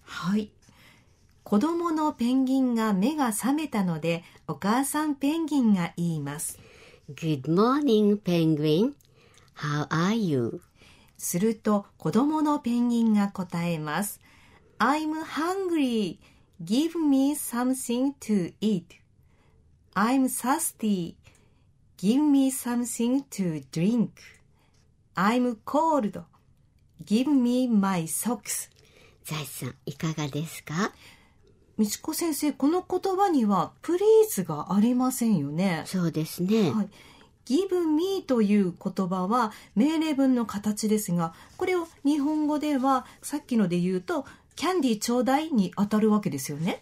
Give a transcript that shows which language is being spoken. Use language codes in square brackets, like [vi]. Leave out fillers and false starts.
[ja] はい。子どものペンギンが目が覚めたので、お母さんペンギンが言います。 [en] Good morning, penguin. How are you? [ja] すると子どものペンギンが答えます。 [en] I'm hungry. Give me something to eat. I'm thirsty. Give me something to drink. I'm cold. Give me my socks. [ja] 財津さん、いかがですか？道子先生、この言葉にはプリーズがありませんよね。そうですね。はい。 Give me という言葉は命令文の形ですが、これを日本語ではさっきので言うとキャンディーちょうだいに当たるわけですよね。